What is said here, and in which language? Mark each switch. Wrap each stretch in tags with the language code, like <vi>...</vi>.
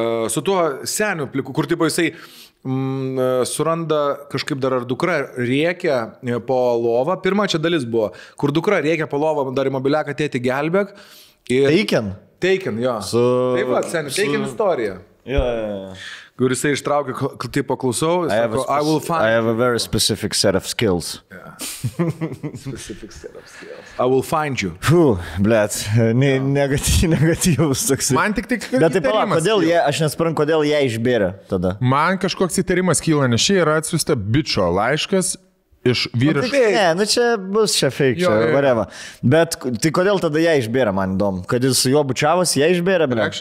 <lt>Su tuo seniu, kur taip jisai suranda kažkaip dar ar dukra rėkia po lovą. Pirma čia dalis buvo, kur dukra rėkia po lovą, dar į mobiliaką tėti gelbėk. Teiken? Teiken, jo. Su... Taip va, seniu, teiken istorija. Jo. Kur jisai ištraukia, taip paklausau,</lt> <en>I will find. I have a very specific set of skills. Yeah. Specific set of skills. I will find you.</en> <lt>Fuh, blėt, negatyvus toksai. Man tik įtarimas. Kodėl jie, aš nesprantu, kodėl jie išbėrė tada. Man kažkoks įtarimas kyla, nes šiai yra atsiųsta bičio laiškas, iš vyriškų. Ne, nu čia bus čia fake, čia whatever. Bet tai kodėl tada jie išbėra, man įdomu, kad jis su juo bučiavosi, jie išbėra, bet.</lt>